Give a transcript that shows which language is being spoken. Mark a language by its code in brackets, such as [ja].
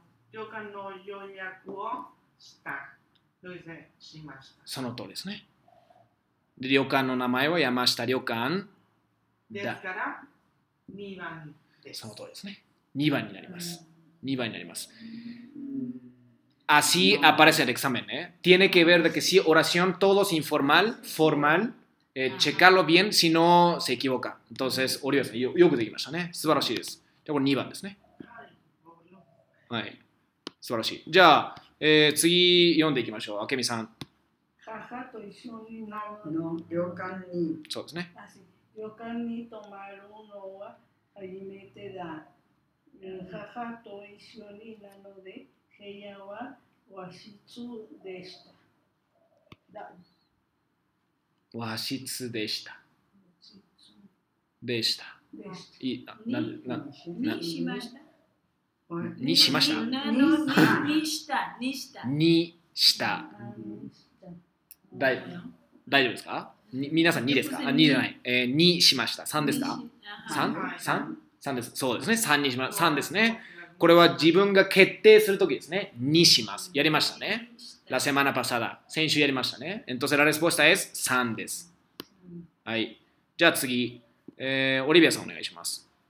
[ja] 旅館の予約をしたと言ってしました。その通りですね。で、旅館の名前は山下旅館ですから2番です。その通りですね。 2番になります、うん、2番になります。 [es] Así aparece el examen, ¿eh? Tiene que ver de que sí, oración, todo es informal, formal, checarlo bien, si no se equivoca. Entonces, [ja] Oriol, よくできましたね。素晴らしいです。じゃあこれ2番ですね。はい、素晴らしい。じゃあ、次読んでいきましょう。あけみさん。母と一緒に旅館に。そうですね。旅館に泊まるのは初めてだ。母と一緒になので部屋は和室でした。和室でした。でした。いい。何しました? にしました。にした。 大丈夫ですか。皆さん2ですか。あ、2じゃない。にしました。3ですか。 3です。そうですね。3にしました。3ですね。これは自分が決定するときですね。にします。やりましたね。 [es] La semana pasada。 [ja] 先週やりましたね。 [es] Entonces la respuesta es 3 [ja] です。はい。じゃあ次、オリビアさんお願いします。